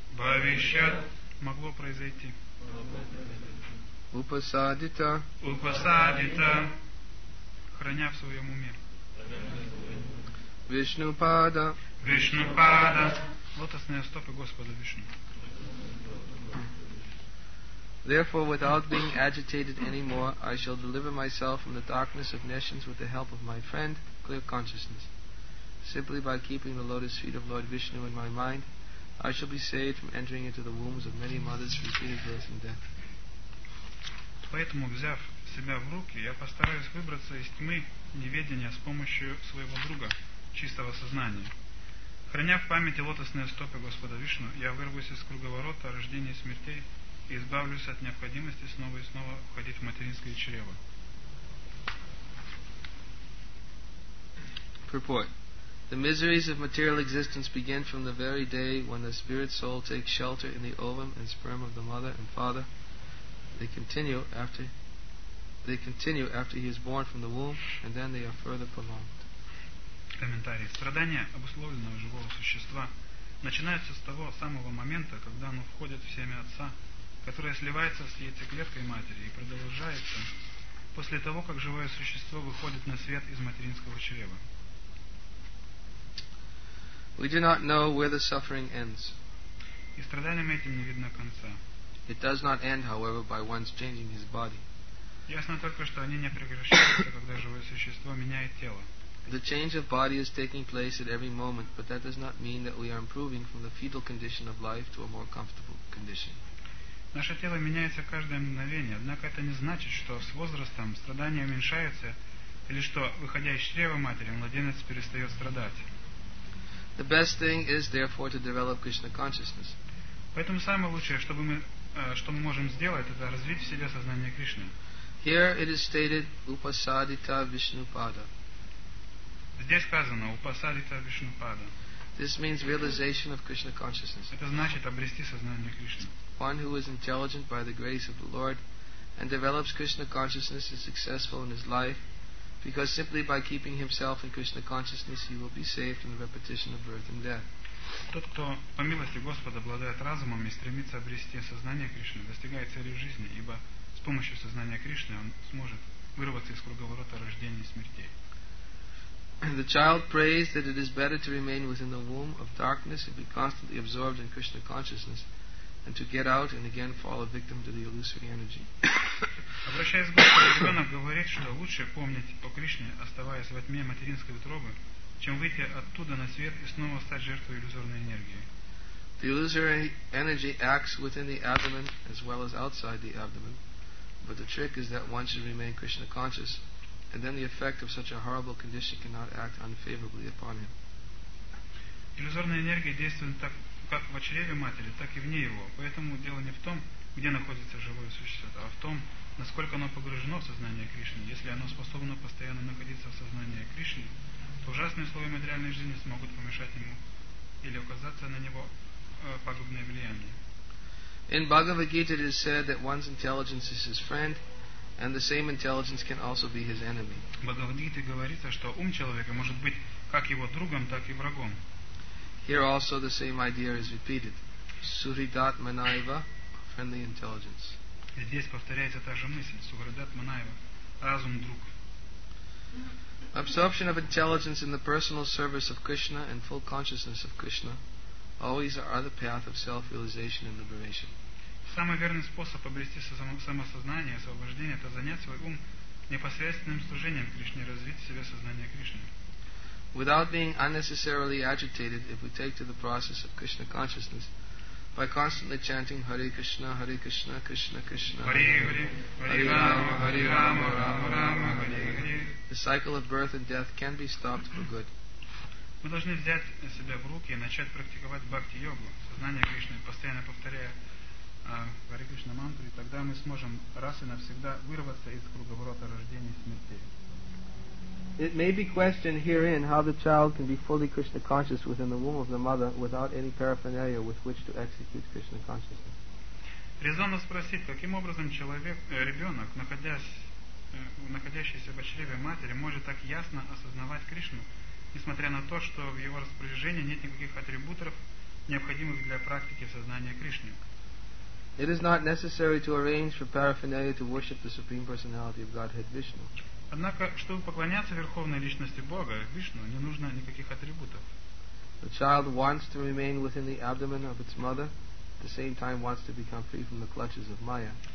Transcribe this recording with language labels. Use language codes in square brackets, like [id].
[ru] Бхавишьят. Могло произойти. Упасадита. Упасадита. Храня в своем уме. Вишнупада. Вишнупада. Лотосные стопы Господа Вишну. [en] Therefore, without being agitated anymore, I shall deliver myself from the darkness of nations with the help of my friend, clear consciousness. Simply by keeping the lotus feet of Lord Vishnu in my mind, I shall be saved from entering into the wombs of many mothers, repeated birth and death. [ru] Поэтому, взяв себя в руки, я постараюсь выбраться из тьмы неведения с помощью своего друга, чистого сознания. Храня в памяти лотосные стопы Господа Вишну, я вырвусь из круговорота рождения и смертей и избавлюсь от необходимости снова и снова входить в материнское чрево. [en] Purport. The miseries of material existence begin from the very day when the spirit soul takes shelter in the ovum and sperm of the mother and father. They continue after he is born from the womb, and then they are further prolonged. [ru] Комментарий. Страдания обусловленного живого существа начинаются с того самого момента, когда оно входит в семя отца, которое сливается с яйцеклеткой матери и продолжается после того, как живое существо выходит на свет из материнского чрева. [en] We do not know where the suffering ends. [ru] И страданиям этим не видно конца. [en] It does not end, however, by one's changing his body. [ru] Ясно только, что они не прекращаются, когда живое существо меняет тело. [en] The change of body is taking place at every moment, but that does not mean that we are improving from the fetal condition of life to a more comfortable condition. [ru] Наше тело меняется каждое мгновение, однако это не значит, что с возрастом страдания уменьшаются или что, выходя из чрева матери, младенец перестает страдать. [en] The best thing is, therefore, to develop Krishna consciousness. [ru] Поэтому самое лучшее, что мы можем сделать, это развить в себе сознание Кришны. [en] Here it is stated, Upasadita Vishnupada. [ru] Здесь сказано [sa] Upasadita Vishnupada. [en] This means realization of Krishna consciousness. [ru] Это значит обрести сознание Кришны. [en] One who is intelligent by the grace of the Lord and develops Krishna consciousness is successful in his life, because simply by keeping himself in Krishna consciousness he will be saved from the repetition of birth and death. [ru] Тот, кто по милости Господа обладает разумом и стремится обрести сознание Кришны, достигает цели жизни, ибо с помощью сознания Кришны он сможет вырваться из круговорота рождения и смертей. [en] The child prays that it is better to remain within the womb of darkness and be constantly absorbed in Krishna consciousness than to get out and again fall a victim to the illusory energy. [ru] Обращаясь к Господу, ребенок говорит, что лучше помнить о Кришне, оставаясь во тьме материнской утробы, чем выйти оттуда на свет и снова стать жертвой иллюзорной энергии. [en] The illusory energy acts within the abdomen as well as outside the abdomen, but the trick is that one should remain Krishna conscious, and then the effect of such a horrible condition cannot act unfavorably upon him. [ru] Иллюзорная энергия действует так как в чреве матери, так и вне его, поэтому дело не в том, где находится живое существо, а в том, насколько оно погружено в сознание Кришны. Если оно способно постоянно находиться в сознании Кришны, ужасные условия материальной жизни смогут помешать ему или указаться на него пагубное влияние. [en] In Bhagavad Gita it is said that one's intelligence is his friend, and the same intelligence can also be his enemy. [ru] В Бхагавад Гите говорится, что ум человека может быть как его другом, так и врагом. [en] Here also the same idea is repeated. Suhridatmanaiva, friendly intelligence. [ru] Здесь повторяется та же мысль. Suhridatmanaiva, разум друг. [en] Absorption of intelligence in the personal service of Krishna and full consciousness of Krishna always are the path of self-realization and liberation. [ru] Самый верный способ обрести самосознание и освобождение – это занять свой ум непосредственным служением Кришне, развить в себе сознание Кришны. [en] Without being unnecessarily agitated, if we take to the process of Krishna consciousness by constantly chanting Hare Krishna, Hare Krishna, Krishna Krishna, [sa] Hare Hare, Hare Rama, Hare Rama, Rama Rama, Hare Hare, [en] the cycle of birth and death can be stopped for good. [ru] Мы должны взять себя в руки и начать практиковать бхакти-йогу, сознание Кришны, постоянно повторяя Hare Krishna мантру, и тогда мы сможем раз и навсегда вырваться из круговорота рождения и смерти. [en] It may be questioned herein how the child can be fully Krishna conscious within the womb of the mother without any paraphernalia with which to execute Krishna consciousness. [ru] Резонно спросить, каким образом человек, ребенок, находящийся в чреве матери, может так ясно осознавать Кришну, несмотря на то, что в его распоряжении нет никаких атрибутов, необходимых для практики сознания Кришны. [en] It is not necessary to arrange for paraphernalia to worship the Supreme Personality of Godhead Vishnu. [ru] Однако, чтобы поклоняться Верховной Личности Бога, Вишну, не нужно никаких атрибутов. [en] The child wants to remain within the abdomen of its mother, at the same time wants to become free from the clutches of Maya.